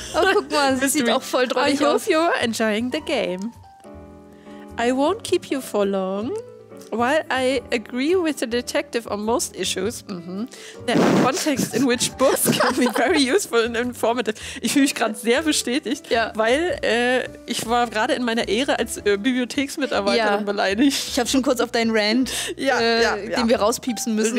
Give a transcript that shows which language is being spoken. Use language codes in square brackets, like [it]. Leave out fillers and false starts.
[de] Oh, guck mal, sie sieht auch voll dreckig aus. [en] I hope you're enjoying the game. I won't keep you for long. While I agree with the detective on most issues, there are contexts in which books can be very useful and informative. [de] Ich fühle mich gerade sehr bestätigt, ja. Weil ich war gerade in meiner Ehre als Bibliotheksmitarbeiterin beleidigt. Ich habe schon kurz auf deinen Rant, den wir rauspiepsen müssen,